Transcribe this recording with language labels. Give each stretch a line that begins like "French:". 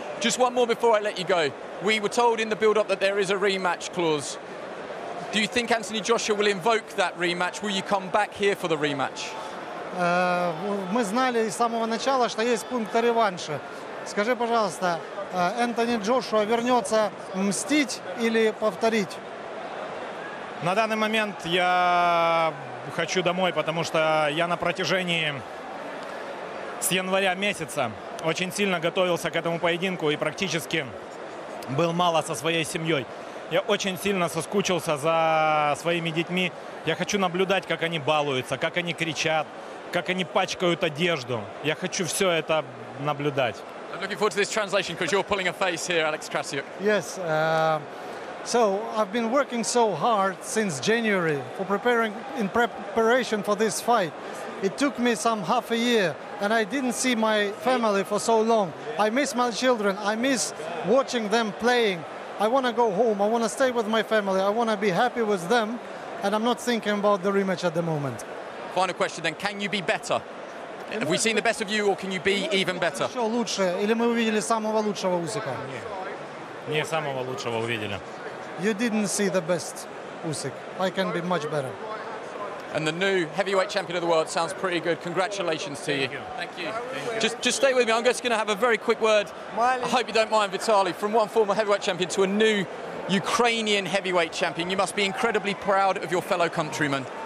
English: Just one more before I let you go. We were told in the build-up that there is a rematch clause. Do you think Anthony Joshua will invoke that rematch? Will you come back here for the rematch?
Russian: Мы знали с самого начала, что есть пункт о реванше. Скажи, пожалуйста, Anthony Joshua вернется мстить или повторить? На данный момент я хочу домой, потому что я на протяжении с января месяца очень сильно готовился к этому поединку и практически был мало со своей семьей. Я очень сильно соскучился за своими детьми. Я хочу наблюдать, как они балуются, как они кричат, как они пачкают одежду. Я хочу все это наблюдать.
English: I'm looking forward to this translation because you're pulling a face here, Alex Krasiuk. Yes. So I've been working so hard since January for preparation for this fight. It took me some half a year, and I didn't see my family for so long. I miss my children. I miss watching them playing. I want to go home. I want to stay with my family. I want to be happy with them. And I'm not thinking about the rematch at the moment. Final question then. Can you be better? Have we seen the best of you or can you be even better?
Russian: Еще лучше. Или мы увидели самого лучшего Усика? Не самого лучшего увидели.
English: You didn't see the best, Usyk. I can be much better. And the new heavyweight champion of the world sounds pretty good. Congratulations to you. Thank you. Just stay with me. I'm just going to have a very quick word. I hope you don't mind, Vitaly. From one former heavyweight champion to a new Ukrainian heavyweight champion, you must be incredibly proud of your fellow countrymen.